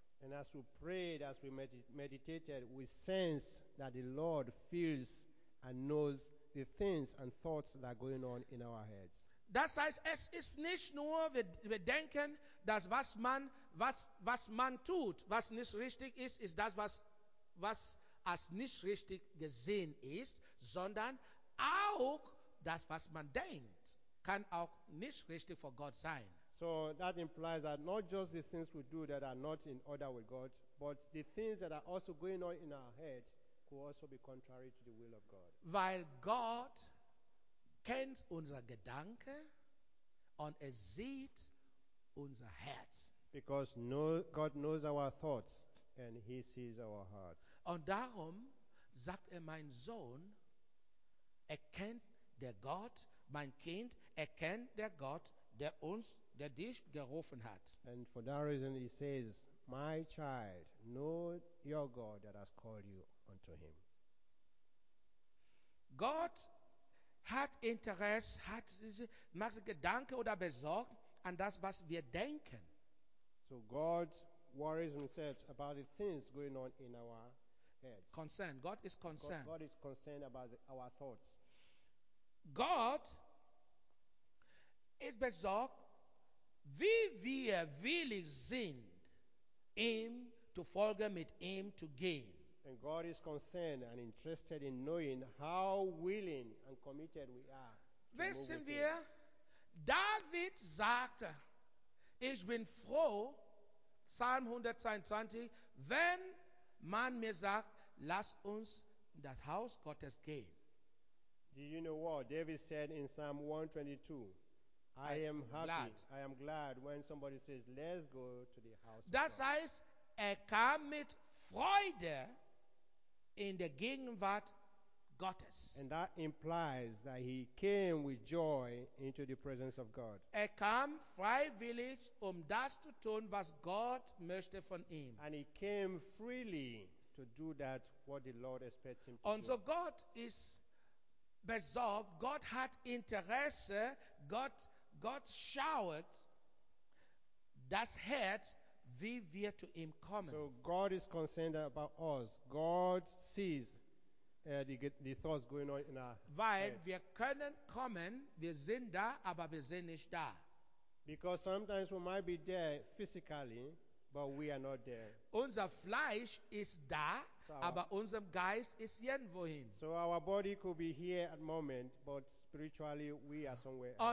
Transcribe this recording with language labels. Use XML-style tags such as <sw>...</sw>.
<en>And as we prayed, as we meditated, we sensed that the Lord feels and knows the things and thoughts that are going on in our heads.</en> <de>Das heißt, es ist nicht nur, wir denken, dass was man tut, was nicht richtig ist, ist das, was als nicht richtig gesehen ist, sondern auch das, was man denkt, kann auch nicht richtig vor Gott sein.</de> <en>So that implies that not just the things we do that are not in order with God, but the things that are also going on in our head could also be contrary to the will of God.</en> <de>Weil Gott kennt unser Gedanke und er sieht unser Herz.</de> <en>Because God knows our thoughts and he sees our hearts.</en> <de>Und darum sagt er, mein Sohn, erkennt der Gott, mein Kind, erkennt der Gott, der dich gerufen hat.</de> <en>And for that reason he says, my child, know your God that has called you unto him.</en> <de>Gott hat Interesse, hat macht Gedanken oder besorgt an das, was wir denken.</de> <en>So God worries himself about the things going on in our heads. Concerned. God is concerned. God is concerned about our thoughts.</en> <de>God ist besorgt, wie wir willig sind, ihm zu folgen, mit ihm zu gehen.</de> <en>And God is concerned and interested in knowing how willing and committed we are.</en> <de>Wissen wir, David sagte, ich bin froh, Psalm 122, wenn man mir sagt, lass uns in das Haus Gottes gehen.</de> <en>Do you know what? David said in Psalm 122, I am glad when somebody says, let's go to the house of God.</en> <de>Das heißt, kam mit Freude in der Gegenwart Gottes.</de> <en>And that implies that he came with joy into the presence of God.</en> <de>Kam freiwillig, das zu tun, was Gott möchte von ihm.</de> <en>And he came freely to do that what the Lord expects him to</en> <de>und</de> <en>do.</en> <de>Und so Gott ist besorgt, Gott hat Interesse, Gott schaut das Herz, wie wir zu ihm kommen.</de> <en>So God is concerned about us. God sees the thoughts going on in our head.</en> <de>Weil wir können kommen, wir sind da, aber wir sind nicht da.</de> <en>Because sometimes we might be there physically, but we are not there.</en> <de>Unser Fleisch ist da, aber unser Geist ist irgendwohin.</de> <en>So our body could be here at the moment, but spiritually we are somewhere else.</en>